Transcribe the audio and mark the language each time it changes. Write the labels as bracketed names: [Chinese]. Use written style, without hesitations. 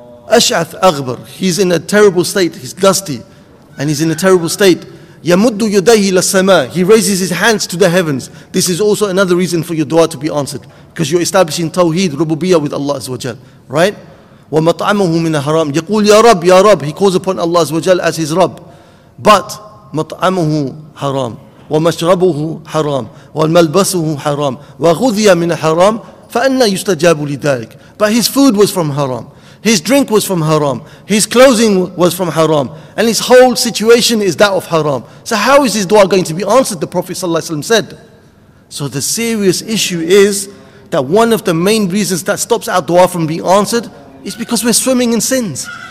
[Arabic] أَشْعَثْ أَغْبَرْ [English] He's in a terrible state. He's dusty. And he's in a terrible state. [Arabic] يَمُدُّ يُدَيْهِ لَسَّمَاءِ [English] He raises his hands to the heavens. This is also another reason for your dua to be answered. Because you're establishing tawheed, rububiyyah with Allah Azza wa Jal. Right? [Arabic] وَمَطْعَمُهُ مِنَ الْحَرَامِ يَقُولُ يَا رَبِّ [English] يَا رَبِّ He calls upon Allah Azza wa Jal as his Rabb. But, [Arabic] مَطْعَمُهُ حَرَامِ وَمَشْرَبُهُ حَرَامِ وَالْمَلْبَسُهُ حَرَامِ وَغُذِيَ مِنَ الْحَرَامِ فَأَنَّا يُسْتَجَابُ لِذَلِكَ [English] But his food was from haram. His drink was from haram. His clothing was from haram. And his whole situation is that of haram. So how is his dua going to be answered? The Prophet ﷺ said. So the serious issue is that one of the main reasons that stops our dua from being answered is because we're swimming in sins.